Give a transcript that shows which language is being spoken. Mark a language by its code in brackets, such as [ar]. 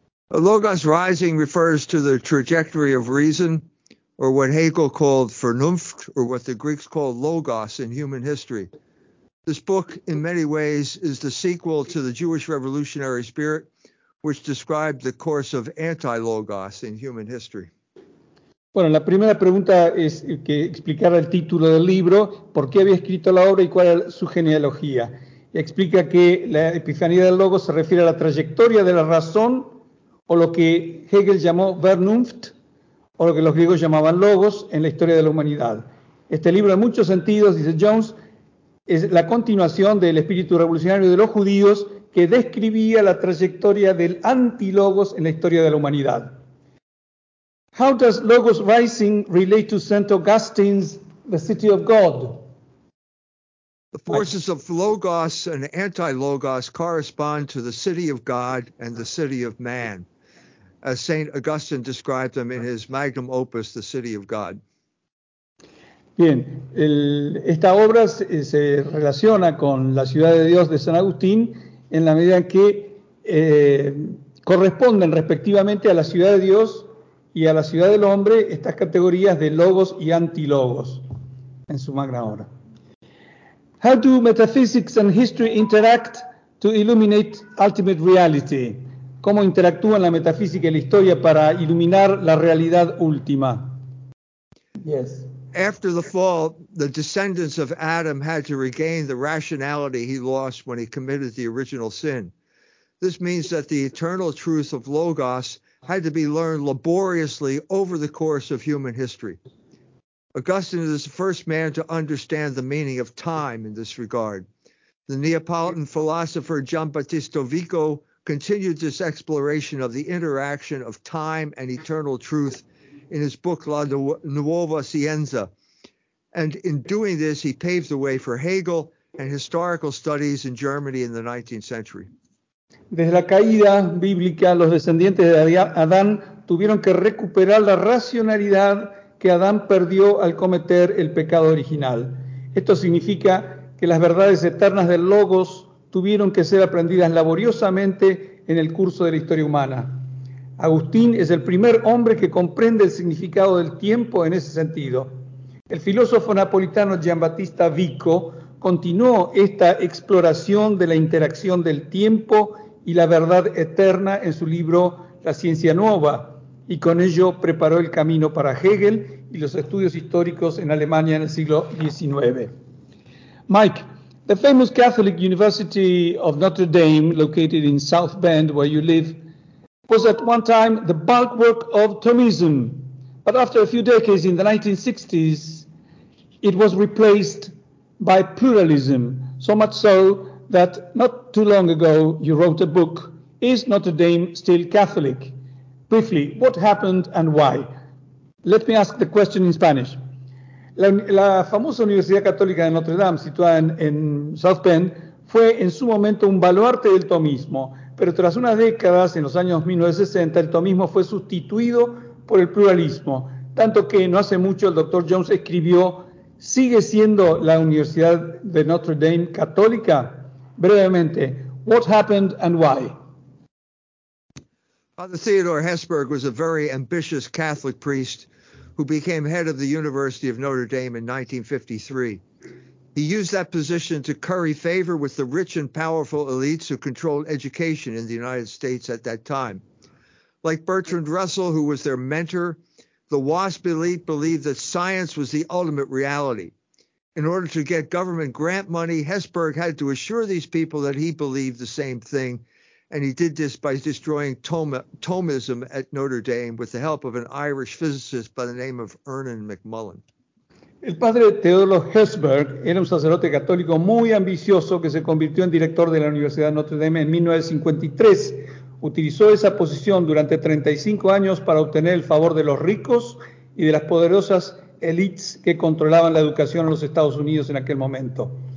[en] Logos Rising refers to the trajectory of reason, or what Hegel called Vernunft, or what the Greeks called Logos in human history. This book, in many ways, is the sequel to the Jewish revolutionary spirit, which described the course of anti-logos in human history. [es] Bueno, la primera pregunta es que explicara el título del libro, por qué había escrito la obra y cuál era su genealogía. Explica que la epifanía del logos se refiere a la trayectoria de la razón, o lo que Hegel llamó Vernunft, o lo que los griegos llamaban logos en la historia de la humanidad. Este libro, en muchos sentidos, dice Jones, es la continuación del espíritu revolucionario de los judíos que describía la trayectoria del antilogos en la historia de la humanidad. [en] How does Logos Rising relate to St. Augustine's The City of God? The forces of logos and anti-logos correspond to the city of God and the city of man, as St. Augustine described them in his magnum opus, The City of God. [es] Bien, esta obra se relaciona con la ciudad de Dios de San Agustín en la medida en que corresponden respectivamente a la ciudad de Dios y a la ciudad del hombre estas categorías de logos y antilogos en su magna obra. [en] How do metaphysics and history interact to illuminate ultimate reality? [es] ¿Cómo interactúan la metafísica y la historia para iluminar la realidad última? [en] Yes. After the fall, the descendants of Adam had to regain the rationality he lost when he committed the original sin. This means that the eternal truth of Logos had to be learned laboriously over the course of human history. Augustine is the first man to understand the meaning of time in this regard. The Neapolitan philosopher Giambattista Vico continued this exploration of the interaction of time and eternal truth in his book La Nuova Scienza. And in doing this, he paved the way for Hegel and historical studies in Germany in the 19th century. [es] Desde la caída bíblica, los descendientes de Adán tuvieron que recuperar la racionalidad que Adán perdió al cometer el pecado original. Esto significa que las verdades eternas del Logos tuvieron que ser aprendidas laboriosamente en el curso de la historia humana. Agustín es el primer hombre que comprende el significado del tiempo en ese sentido. El filósofo napolitano Giambattista Vico continuó esta exploración de la interacción del tiempo y la verdad eterna en su libro La Ciencia Nueva, y con ello preparó el camino para Hegel y los estudios históricos en Alemania en el siglo XIX. [en] Mike, the famous Catholic University of Notre Dame, located in South Bend, where you live, was at one time the bulwark of Thomism. But after a few decades in the 1960s, it was replaced by pluralism, so much so that not too long ago you wrote a book, Is Notre Dame Still Catholic? Briefly, what happened and why? Let me ask the question in Spanish. [es] La famosa Universidad Católica de Notre Dame, situada en South Bend, fue en su momento un baluarte del tomismo, pero tras unas décadas, en los años 1960, el tomismo fue sustituido por el pluralismo, tanto que no hace mucho el Dr. Jones escribió, ¿sigue siendo la Universidad de Notre Dame católica? Brevemente, [en] what happened and why? Father Theodore Hesburgh was a very ambitious Catholic priest who became head of the University of Notre Dame in 1953. He used that position to curry favor with the rich and powerful elites who controlled education in the United States at that time. Like Bertrand Russell, who was their mentor, the WASP elite believed that science was the ultimate reality. In order to get government grant money, Hesburgh had to assure these people that he believed the same thing. And he did this by destroying Thomism at Notre Dame with the help of an Irish physicist by the name of Ernan McMullen. [es] El padre Teodoro Hesburgh era un sacerdote católico muy ambicioso que se convirtió en director de la Universidad de Notre Dame en 1953. Utilizó esa posición durante 35 años para obtener el favor de los ricos y de las poderosas elites que controlaban la educación en los Estados Unidos en aquel momento.